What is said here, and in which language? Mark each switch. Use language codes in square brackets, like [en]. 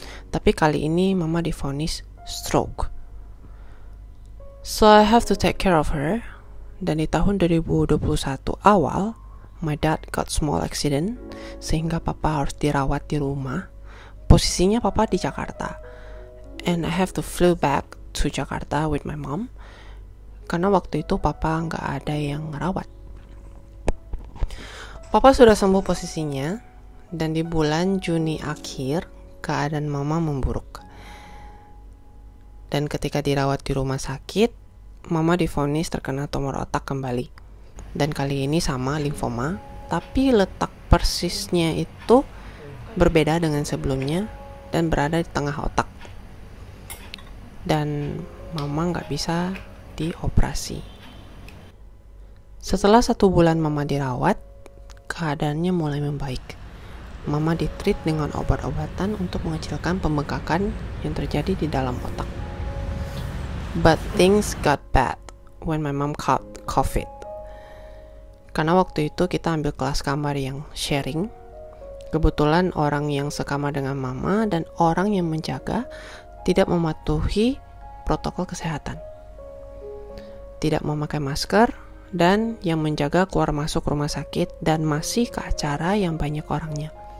[id] Tapi kali ini mama divonis stroke. [en] So I have to take care of her. [id] Dan di tahun 2021 awal, [en] my dad got small accident, [id] sehingga papa harus dirawat di rumah. Posisinya papa di Jakarta. [en] And I have to flew back to Jakarta with my mom. [id] Karena waktu itu papa gak ada yang ngerawat. Papa sudah sembuh posisinya. Dan di bulan Juni akhir, keadaan mama memburuk. Dan ketika dirawat di rumah sakit, mama divonis terkena tumor otak kembali. Dan kali ini sama limfoma, tapi letak persisnya itu berbeda dengan sebelumnya dan berada di tengah otak. Dan mama gak bisa dioperasi. Setelah satu bulan mama dirawat, keadaannya mulai membaik. Mama ditreat dengan obat-obatan untuk mengecilkan pembengkakan yang terjadi di dalam otak. [en] But things got bad when my mom caught COVID. [id] Karena waktu itu kita ambil kelas kamar yang sharing. Kebetulan orang yang sekamar dengan mama dan orang yang menjaga tidak mematuhi protokol kesehatan. Tidak memakai masker. Dan yang menjaga keluar masuk rumah sakit dan masih ke acara yang banyak orangnya.